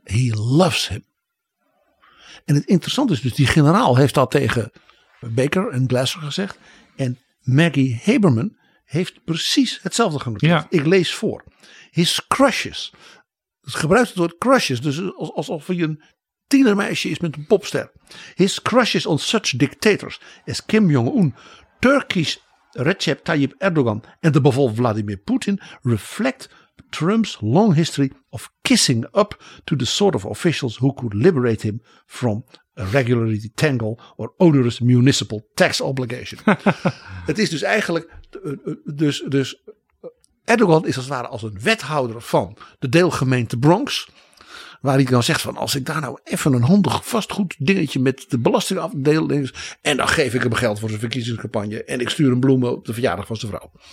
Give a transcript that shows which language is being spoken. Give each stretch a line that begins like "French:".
English: He loves him.
Dutch: En het interessante is dus, die generaal heeft dat tegen Baker en Glasser gezegd. En Maggie Haberman heeft precies hetzelfde genoemd. Ja. Ik lees voor.
English: His crushes.
Dutch: Het gebruikt het woord crushes. Dus alsof hij een tienermeisje is met een popster.
English: His crushes on such dictators as Kim Jong-un, Turkish Recep Tayyip Erdogan
Dutch: en de bijvoorbeeld
English: Vladimir Poetin reflect Trump's long history of kissing up to the sort of officials who could liberate him from regularly tangle or onerous municipal tax obligation.
Dutch: Het is dus eigenlijk, dus Erdogan is als het ware als een wethouder van de deelgemeente Bronx, waar hij dan zegt van als ik daar nou even een handig vastgoed dingetje met de belastingafdeling en dan geef ik hem geld voor zijn verkiezingscampagne en ik stuur hem bloemen op de verjaardag van zijn vrouw.